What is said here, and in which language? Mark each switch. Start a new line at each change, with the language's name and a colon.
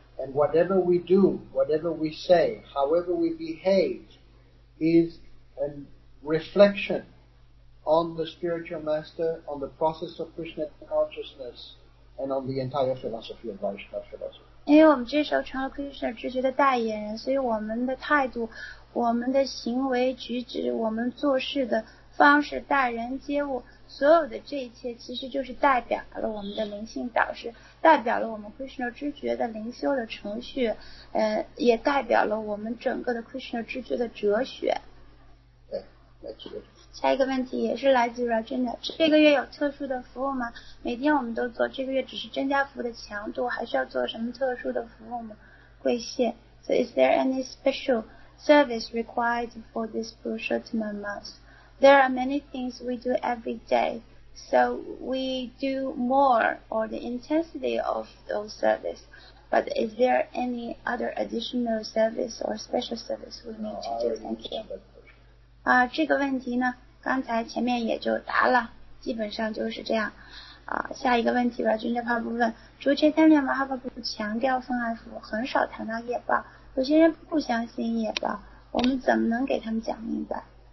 English: And whatever we do, whatever we say, however we behave, is a reflection on the spiritual master, on the process of Krishna consciousness, and on the entire philosophy of Vaishnava philosophy.
Chinese: 因为我们这时候成了 Krishna 知觉的代言人，所以我们的态度、我们的行为举止、我们做事的方式、待人接物，所有的这一切其实就是代表了我们的灵性导师，代表了我们 Krishna 知觉的灵修的程序，也代表了我们整个的 Krishna 知觉的哲学。下一个问题也是来自 Rajendra， 这个月有特殊的服务吗？每天我们都做，这个月只是增加服务的强度，还需要做什么特殊的服务吗？贵谢。
English: So is there any special service required for this Purushottama month? There are many things we do every day, so we do more or the intensity of those service. But is there any other additional service or special service we need to do? Thank you.
Chinese: 这个问题呢，刚才前面也就答了，基本上就是这样。下一个问题吧，君泽帕布问，主持单恋马哈巴布强调分爱服务，很少谈到业报，有些人不相信业报，我们怎么能给他们讲明白？